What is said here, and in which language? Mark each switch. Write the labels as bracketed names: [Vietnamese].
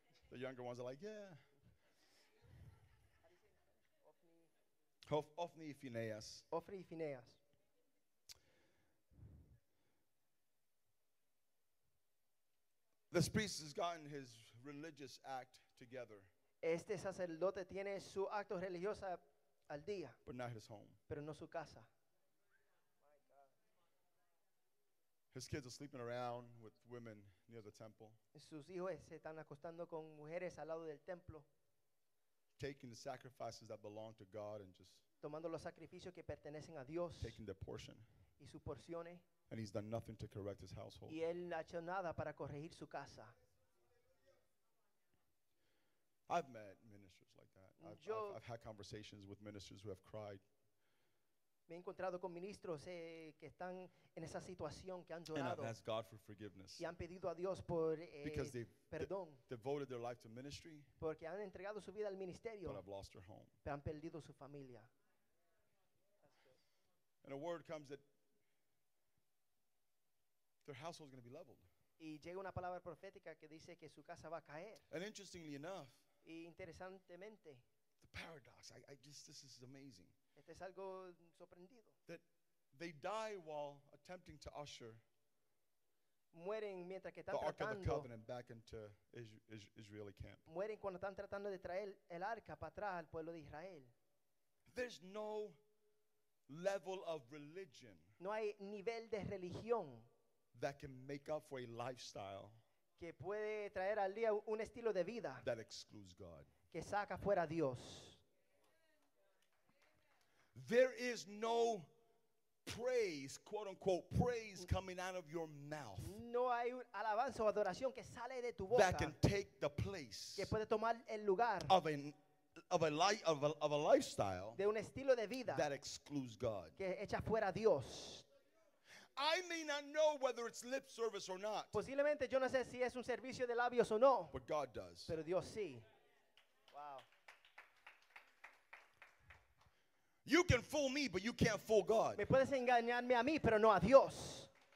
[English] The younger ones are like, yeah. [Spanish] Hophni y Phinehas. Hophni y Phinehas. [English] This priest has gotten his religious act together. [Spanish] Este sacerdote tiene su acto religioso al día. [English] But not his home. [Spanish] Pero no su casa. [English] His kids are sleeping around with women near the temple. [Spanish] Sus hijos se están acostando con mujeres al lado del templo. [English] Taking the sacrifices that belong to God and just [Spanish] tomando los sacrificios que pertenecen a Dios. [English] Taking their portion. [Spanish] Y sus porciones. [English] And he's done nothing to correct his household. [Spanish] Y él no ha hecho nada para corregir su casa. [English] I've met ministers like that. I've had conversations with ministers who have cried. [Spanish] Me he encontrado con ministros que están en esa situación, que han llorado. [English] And I've asked God for forgiveness. [Spanish] Y han pedido a Dios por [English] because they've [Spanish] perdón. [English] Devoted their life to ministry. [Spanish] Porque han entregado su vida al ministerio. [English] But I've lost their home. [Spanish] Pero han perdido su familia. [English] And a word comes that their household is going to be leveled. [Spanish] Y llega una palabra profética que dice que su casa va a caer. [English] And interestingly enough, [Spanish] y interesantemente, [English] the paradox, this is amazing. [Spanish] Este es algo sorprendido. [English] That they die while attempting to usher [Spanish] mueren mientras que están [English] the Ark [Spanish] tratando [English] of the Covenant back into Israeli camp. [Spanish] Mueren cuando están tratando de traer el arca para atrás al pueblo de Israel. [English] There's no level of religion. [Spanish] No hay nivel de religión [English] that can make up for a lifestyle [Spanish] que puede traer al día un estilo de vida [English] that excludes God. [Spanish] Que saca fuera a Dios. [English] There is no praise, quote unquote, praise coming out of your mouth. [Spanish] No hay alabanza o adoración que sale de tu boca [English] that can take the place [Spanish] que puede tomar el lugar [English] of a lifestyle [Spanish] de un estilo de vida [English] that excludes God. [Spanish] Que echa fuera a Dios. [English] I may not know whether it's lip service or not. [Spanish] Posiblemente yo no sé si es un servicio de labios o no. [English] But God does. [Spanish] Pero Dios sí. Wow. [English] You can fool me, but you can't fool God. [Spanish] Me puedes engañarme a mí, pero no a Dios.